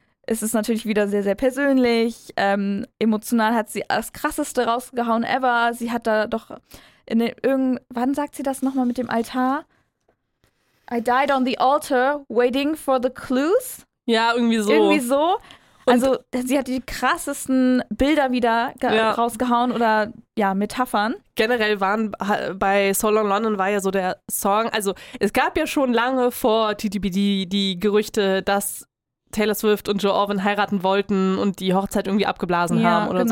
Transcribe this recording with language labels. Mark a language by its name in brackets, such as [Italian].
[German] Es ist natürlich wieder sehr, sehr persönlich. Emotional hat sie das Krasseste rausgehauen ever. Sie hat da doch irgendwann sagt sie das nochmal mit dem Altar? [English] I died on the altar, waiting for the clues. [German] Ja, irgendwie so. Irgendwie so. Also sie hat die krassesten Bilder wieder rausgehauen oder Metaphern. Generell waren bei So Long London war ja so der Song, also es gab ja schon lange vor TTPD die Gerüchte, dass Taylor Swift und Joe Alwyn heiraten wollten und die Hochzeit irgendwie abgeblasen haben oder